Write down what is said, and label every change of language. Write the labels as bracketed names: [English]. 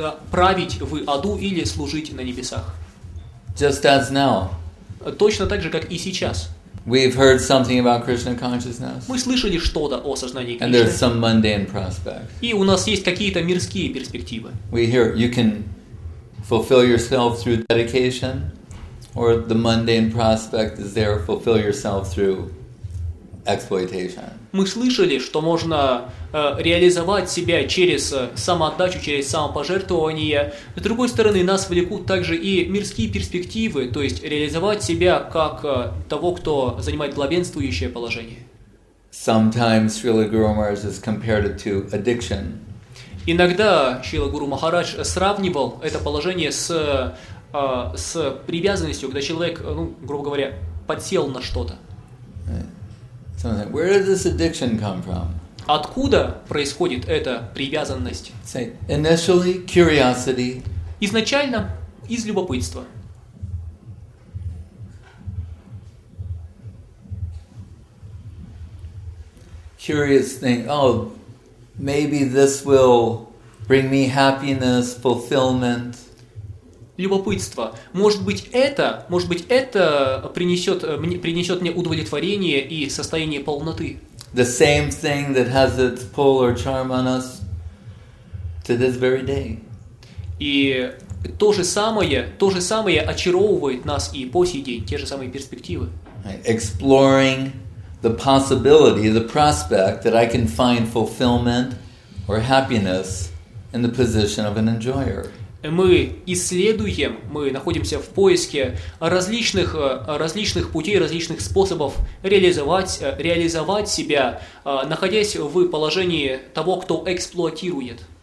[Russian] Править в аду или служить на небесах. [English] Just as now. [Russian] Точно так же, как и сейчас. [English] We've heard something about Krishna consciousness. [Russian] Мы слышали что-то о сознании Кришны. [English] And there's some mundane prospects. [Russian] И у нас есть какие-то мирские перспективы. [English] We hear you can fulfill yourself through dedication, or the mundane prospect is there, fulfill yourself through exploitation. [Russian] Мы слышали, что можно реализовать себя через самоотдачу, через самопожертвование. С другой стороны, нас влекут также и мирские перспективы, то есть реализовать себя как того, кто занимает главенствующее положение. [English] Sometimes Srila Guru Maharaj is compared it to addiction. [Russian] Иногда Шрила Гуру Махарадж сравнивал это положение с привязанностью, когда человек, ну, грубо говоря, подсел на что-то. [English] Where does this addiction come from? [Russian] Откуда происходит эта привязанность? [English] Say, initially curiosity. [Russian] Изначально из любопытства. [English] Curious thing. Oh, maybe this will bring me happiness, fulfillment. [Russian] Любопытство. Может быть, это принесет мне удовлетворение и состояние полноты. [English] The same thing that has its pull or charm on us to this very day. [Russian] И то же самое очаровывает нас и по сей день, те же самые перспективы. [English] Exploring the possibility, the prospect that I can find fulfillment or happiness in the position of an enjoyer. [Russian] Мы исследуем, мы находимся в поиске различных путей, различных способов реализовать себя, находясь в положении того, кто эксплуатирует.